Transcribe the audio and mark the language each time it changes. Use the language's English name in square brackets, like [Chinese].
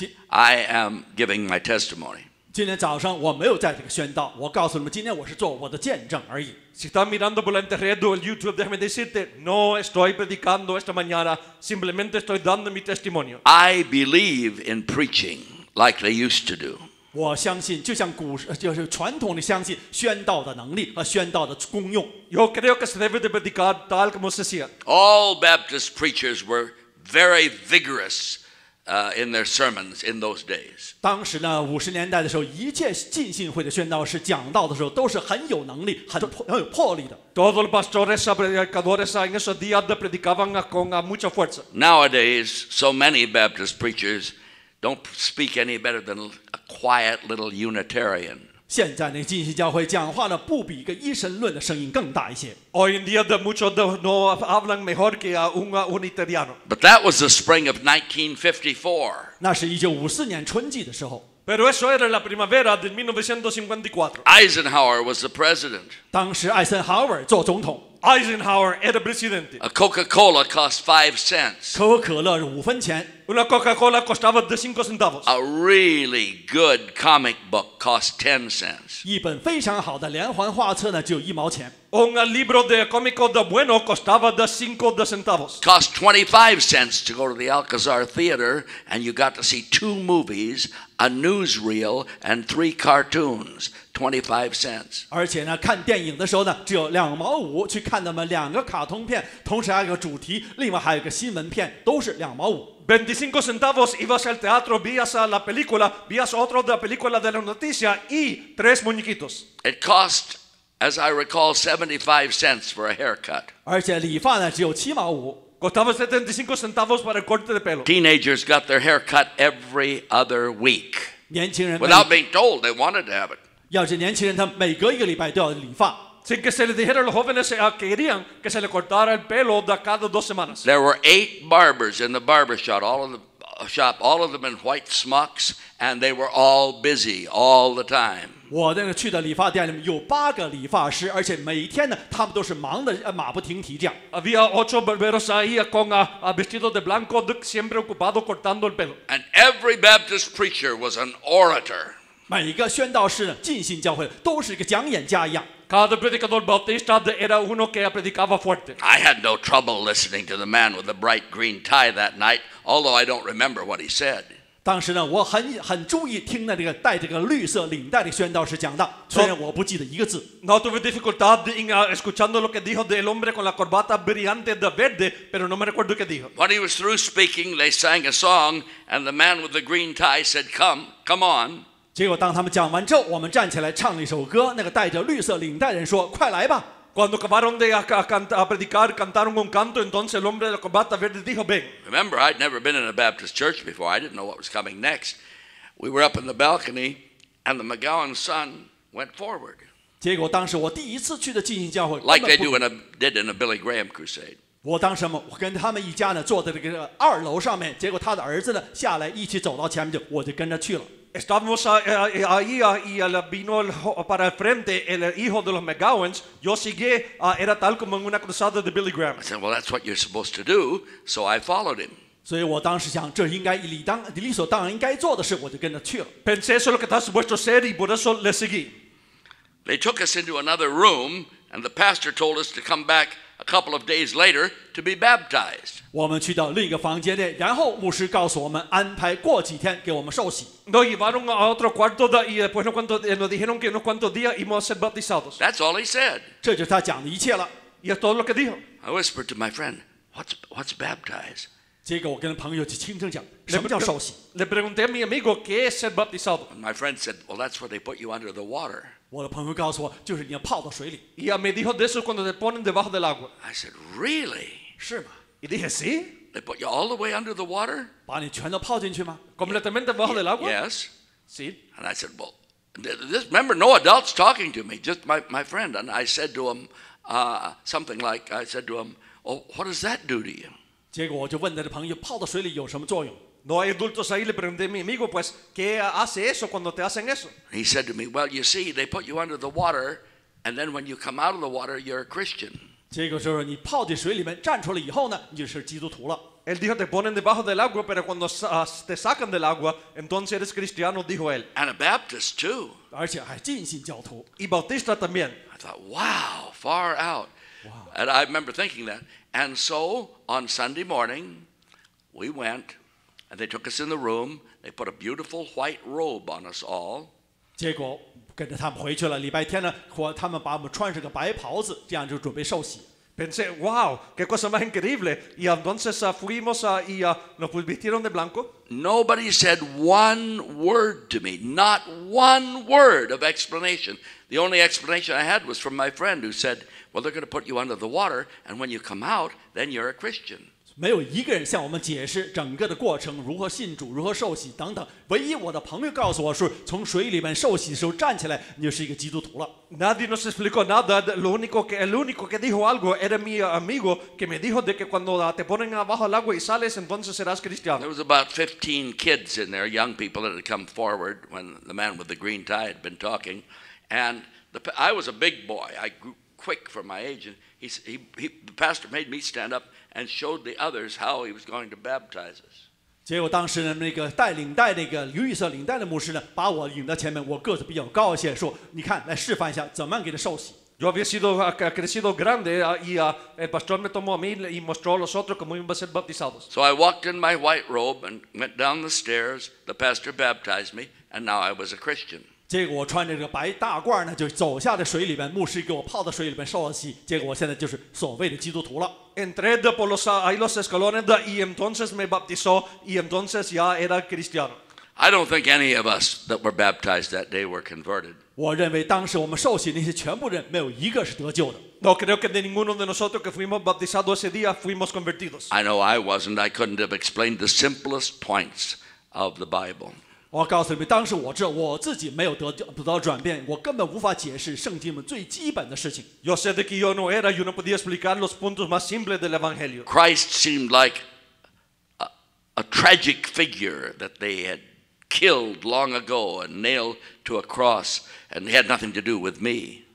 [English] I am giving my testimony. [Chinese] 今天早上我没有在这个宣道，我告诉你们，今天我是做我的见证而已。 [Spanish] Si estás mirando por la internet o el YouTube, déjame decirte, no estoy predicando esta mañana, simplemente estoy dando mi testimonio. [English] I believe in preaching like they used to do. [Chinese] 我相信，就像古就是传统的相信宣道的能力和宣道的功用。 [Spanish] Yo creo que se debe de predicar tal como se hacía. [English] All Baptist preachers were very vigorous. In their sermons in those days. [Chinese] 当时呢，五十年代的时候，一切浸信会的宣道士讲道的时候，都是很有能力、很有魄力的。 [Spanish] Todos los pastores y predicadores en esos días predicaban con mucha fuerza. [English] Nowadays, so many Baptist preachers don't speak any better than a quiet little Unitarian. [Chinese] 现在那浸信教会讲话呢，不比一个一神论的声音更大一些。 [Spanish] Hoy en día de muchos de no hablan mejor que un unitariano. [English] But that was the spring of 1954. [Chinese] 那是1954年春季的时候。 [Spanish] Pero eso era la primavera de 1954. [English] Eisenhower was the president. [Chinese] 当时艾森豪尔做总统。 [Spanish] Eisenhower era presidente. [English] A Coca-Cola cost 5 cents. [Chinese] 可口可乐是五分钱。 [Spanish] Una Coca-Cola costaba de 5 centavos. [English] A really good comic book cost 10 cents. [Chinese] 一本非常好的连环画册呢，只有1毛钱。 [Spanish] Un libro de cómico de bueno costaba de 5 centavos. [English] Cost 25 cents to go to the Alcazar Theater, and you got to see 2 movies, a newsreel, and 3 cartoons. 25 cents. [Chinese] 而且呢，看电影的时候呢，只有2.5毛去看那么两个卡通片，同时还有个主题，另外还有个新闻片，都是2.5毛。 [Spanish] 25 centavos ibas al teatro, vías a la película, vías otro de la película de la noticia y 3 muñequitos. [English] It cost, as I recall, 75 cents for a haircut. [Chinese] 而且理发呢只有7.5毛。 [Spanish] Costaba 75 centavos para el corte de pelo. [English] Teenagers got their hair cut every other week. [Chinese] 年轻人 [English] without being told they wanted to have it. [Chinese] 要是年轻人他每隔一个礼拜都要理发。 [Spanish] Sin que se le dijera a los jóvenes que querían que se le cortara el pelo de cada 2 semanas. [English] There were 8 barbers in the barbershop all, of the, shop, all of them in white smocks, and they were all busy all the time. [Chinese] 我那个去的理发店里面有八个理发师，而且每天呢，他们都是忙的马不停蹄这样。 [Spanish] Había ocho barberos ahí con vestidos de blanco, siempre ocupado cortando el pelo. [English] And every Baptist preacher was an orator. [Chinese] 每一个宣道师呢，进信教会都是一个讲演家一样。 [Spanish] Cada predicador bautista era uno que predicaba fuerte. [English] I had no trouble listening to the man with the bright green tie that night, although I don't remember what he said. [Chinese] 当时呢，我很注意听那个戴这个绿色领带的宣道师讲道，虽然我不记得一个字。 [Spanish] No tuve dificultad en escuchando lo que dijo del hombre con la corbata brillante de verde, pero no me recuerdo qué dijo. [English] When he was through speaking, they sang a song, and the man with the green tie said, "Come, come on." [Chinese] 结果当他们讲完之后，我们站起来唱了一首歌。那个戴着绿色领带的人说：“快来吧。” [Spanish] Cuando acabaron de predicar, cantaron un canto. Entonces el hombre de la corbata verde dijo: "Ven." [English] Remember, I'd never been in a Baptist church before. I didn't know what was coming next. We were up in the balcony, and the McGowan son went forward. [Chinese] 结果当时我第一次去的浸信教会 [English] ，like they did in a Billy Graham crusade. [Chinese] 我当时我跟他们一家呢坐在这个二楼上面，结果他的儿子呢下来一起走到前面，我就跟着去了。 [Spanish] Estábamos ahí y vino para el frente el hijo de los McGowans. Yo seguí, era tal como en una cruzada de Billy Graham. [English] I said, well, that's what you're supposed to do. So I followed him. [Chinese] 所以我当时想，这应该理所当然应该做的事，我就跟着去了。 [Spanish] Pensé eso lo que está supuesto hacer y por eso le seguí. [English] They took us into another room, and the pastor told us to come back a couple of days later to be baptized. [Chinese] 我们去到另一个房间内，然后牧师告诉我们安排过几天给我们受洗。 [Spanish] Nos llevaron a otro cuarto de y después nos dijeron que unos cuantos días íbamos a ser bautizados. [English] That's all he said. [Chinese] 这就是他讲的一切了。 [Spanish] Y es todo lo que dijo. [English] I whispered to my friend, "What's baptized?" [Chinese] 结果我跟朋友就轻声讲，什么叫受洗 [Spanish] ？Le pregunté a mi amigo qué es ser bautizado. [English] My friend said, "Well, that's where they put you under the water." [Chinese] 我的朋友告诉我，就是你要泡到水里。 [Spanish] Y me dijo de eso cuando te ponen debajo del agua. [English] I said, "Really?" [Chinese] 是吗 [Spanish] ？Y dije sí. [English] They put you all the way under the water. [Chinese] 把你全都泡进去吗 [Spanish] ？Completamente debajo del agua. [English] Yes. [Spanish] Sí. [English] And I said, "Well, this remember, no adults talking to me, just my friend." And I said to him, something like, I said to him, "Oh, what does that do to you?" [Chinese] 结果我就问他的朋友，泡到水里有什么作用？ [Spanish] No hay adultos ahí, le pregunté a mi amigo, pues, ¿qué hace eso cuando te hacen eso? [English] He said to me, well, you see, they put you under the water, and then when you come out of the water, you're a Christian. [Chinese] 结果就是你泡进水里面站出来以后呢，你就是基督徒了。 [Spanish] Él dijo, te ponen debajo del agua, pero cuando te sacan del agua, entonces eres cristiano, dijo él. [English] And a Baptist, too. [Chinese] 而且还浸信教徒。 [Spanish] Y bautista también. [English] I thought, wow, far out. Wow. And I remember thinking that. And so, on Sunday morning, we went... And they took us in the room. They put a beautiful white robe on us all. [Chinese] 结果跟着他们回去了。礼拜天呢，他们把我们穿上个白袍子，这样就准备受洗。 [Spanish] Pensé, wow, qué cosa más increíble. Y entonces fuimos y nos vistieron de blanco. [English] Nobody said one word to me. Not one word of explanation. The only explanation I had was from my friend who said, "Well, they're going to put you under the water, and when you come out, then you're a Christian." [Chinese] 没有一个人向我们解释整个的过程，如何信主，如何受洗等等。唯一我的朋友告诉我是，从水里面受洗的时候站起来，你就是一个基督徒了。 [Spanish] Nadie nos explicó nada. El único que dijo algo era mi amigo que me dijo de que cuando te ponen abajo el agua y sales, entonces serás cristiano. [English] There was about 15 kids in there, young people that had come forward when the man with the green tie had been talking, and I was a big boy. I grew quick for my age, and the pastor made me stand up. And showed the others how he was going to baptize us. [Chinese] 结果当时呢，那个带领带那个绿色领带的牧师呢，把我引到前面。我个子比较高一些，说：“你看，来示范一下，怎么样给他受洗。” [Spanish] Yo había sido crecido grande, y el pastor me tomó a mí y mostró a los otros cómo iban a ser bautizados. [English] So I walked in my white robe and went down the stairs. The pastor baptized me, and now I was a Christian. [Chinese] 结果我穿着这个白大褂呢，就走下的水里边，牧师给我泡到水里边受了洗。结果我现在就是所谓的基督徒了。 [Spanish] Entré por los escalones y entonces me bautizó y entonces ya era cristiano. [English] I don't think any of us that were baptized that day were converted. [Chinese] 我认为当时我们受洗那些全部人没有一个是得救的。 [Spanish] No creo que de ninguno de nosotros que fuimos bautizados ese día fuimos convertidos. [English] I know I wasn't. I couldn't have explained the simplest points of the Bible. [Chinese] 我告诉你们，当时我知道我自己没有得到转变，我根本无法解释圣经里面最基本的事情。 [Spanish] Yo sé que yo no era, yo no podía explicar los puntos más simples del evangelio. [English] Christ seemed like a tragic figure that they had killed long ago and nailed to a cross, and had nothing to do with me.